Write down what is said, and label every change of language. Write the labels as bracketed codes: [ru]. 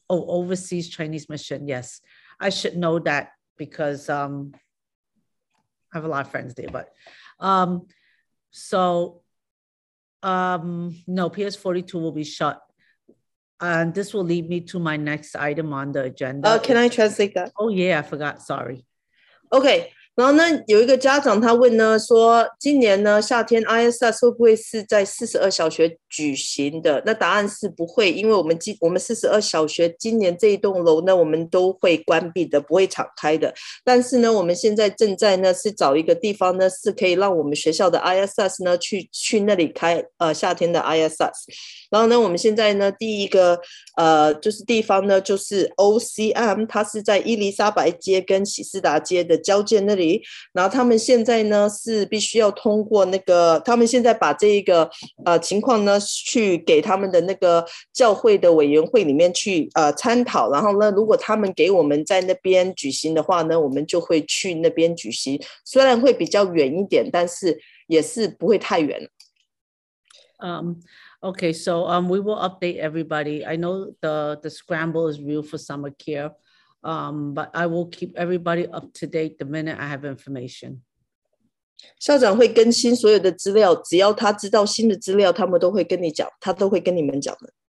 [en] Oh, Overseas Chinese Mission, yes. I should know that because I have a lot of friends there. But no, PS42 will be shut. And this will lead me to my next item on the agenda. Can I translate that? Oh, yeah, I forgot. Sorry. Okay. [zh] 然后呢，有一个家长他问呢，说今年呢夏天 ISS 会不会是在42小学举行的？那答案是不会，因为我们42小学今年这一栋楼呢，我们都会关闭的，不会敞开的。但是呢，我们现在正在呢是找一个地方呢，是可以让我们学校的 ISS 呢去那里开夏天的 ISS。然后呢，我们现在呢第一个就是地方呢就是 OCM， 它是在伊丽莎白街跟喜斯达街的交界那里，然后他们现在呢是必须要通过那个，他们现在把这一个情况呢去给他们的那个教会的委员会里面去参讨，然后呢如果他们给我们在那边举行的话呢，我们就会去那边举行，虽然会比较远一点，但是也是不会太远。 [en] Okay, so we will update everybody. I know the scramble is real for summer care, but I will keep everybody up to date the minute I have information. [zh] 校长会更新所有的资料，只要他知道新的资料，他们都会跟你讲，他都会跟你们讲的。